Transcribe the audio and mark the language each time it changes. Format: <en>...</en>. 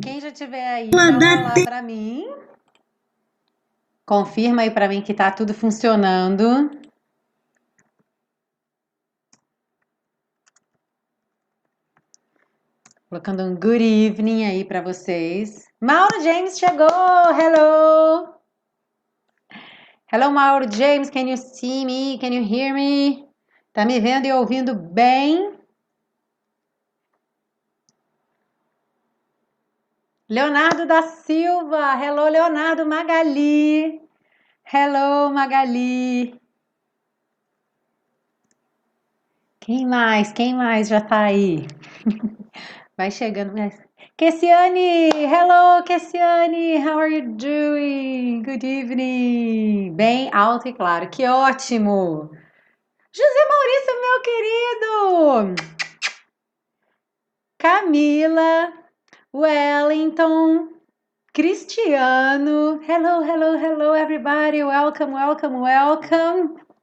<pt>Quem já tiver aí, dá um olá para mim. Confirma aí para mim que tá tudo funcionando. Colocando um</pt> <en>good evening</en> <pt>aí para vocês. Mauro James chegou!</pt> <en>Hello! Hello, Mauro James, can you see me? Can you hear me?</en> <pt>Tá me vendo e ouvindo bem?</pt> <en>Leonardo da Silva, hello Leonardo Magali, hello Magali.</en> <pt>Quem mais? Quem mais já tá aí? Vai chegando.</pt> <en>Kessiane, hello Kessiane, how are you doing? Good evening.</en> <pt>Bem alto e claro, que ótimo. José Maurício, meu querido.</pt> <en>Camila. Wellington, Cristiano, hello, hello, hello, everybody, welcome, welcome, welcome.</en>